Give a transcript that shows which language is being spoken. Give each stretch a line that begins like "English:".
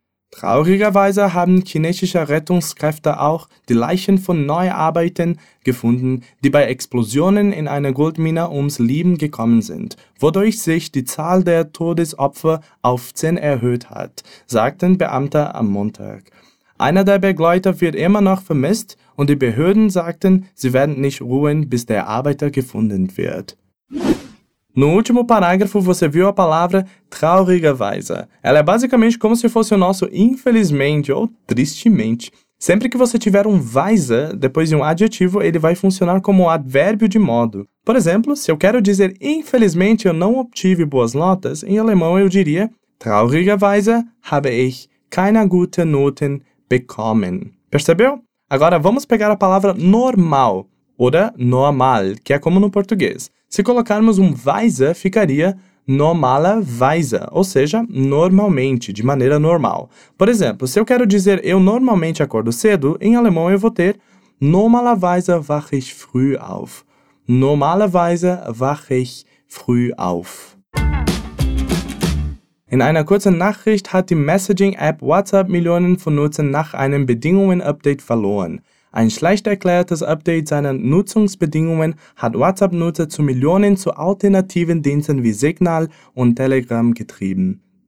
German: Traurigerweise haben chinesische Rettungskräfte auch die Leichen von Neuarbeitern gefunden, die bei Explosionen in einer Goldmine ums Leben gekommen sind, wodurch sich die Zahl der Todesopfer auf 10 erhöht hat, sagten Beamte am Montag. Einer der Bergleute wird immer noch vermisst und die Behörden sagten, sie werden nicht ruhen, bis der Arbeiter gefunden wird.
Portuguese: No último parágrafo, você viu a palavra traurigerweise. Ela é basicamente como se fosse o nosso infelizmente ou tristemente. Sempre que você tiver um weise depois de um adjetivo, ele vai funcionar como um advérbio de modo. Por exemplo, se eu quero dizer infelizmente eu não obtive boas notas, em alemão eu diria
German: traurigerweise habe ich keine guten Noten bekommen.
Portuguese: Percebeu? Agora vamos pegar a palavra normal, oder normal, que é como no português. Se colocarmos weise, ficaria normalerweise, ou seja, normalmente, de maneira normal. Por exemplo, se eu quero dizer eu normalmente acordo cedo, em alemão eu vou ter
German: normalerweise wache ich früh auf. Normalerweise wache ich früh auf. In einer kurzen Nachricht hat die Messaging-App WhatsApp Millionen von Nutzern nach einem Bedingungen-Update verloren. Ein schlecht erklärtes Update seiner Nutzungsbedingungen hat WhatsApp-Nutzer zu Millionen zu alternativen Diensten wie Signal und Telegram getrieben.